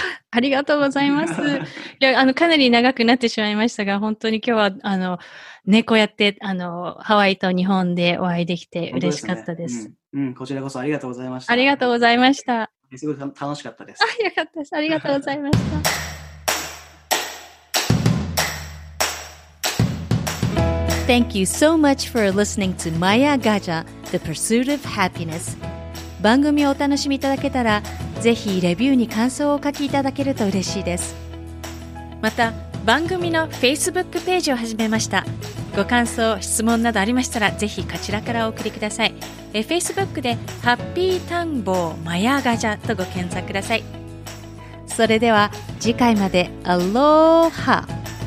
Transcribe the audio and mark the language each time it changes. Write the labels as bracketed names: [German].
[Japanese] ありがとうございます。いや、かなり長くなってしまいましたが、本当に今日は、ね、こうやって、ハワイと日本でお会いできて嬉しかったです。うん、こちらこそありがとうございました。ありがとうございました。すごい楽しかったです。あ、よかったです。ありがとうございました。 [English] Thank you so much for listening to Maya Gaja, The Pursuit of Happiness. [Japanese] 番組をお楽しみいただけたら、ぜひレビューに感想をお書きいただけると嬉しいです。また、番組の Facebook ページを始めました。ご感想、質問などありましたら、ぜひこちらからお送りください。 Facebook でハッピータンボーマヤガジャとご検索ください。それでは次回まで、アローハー。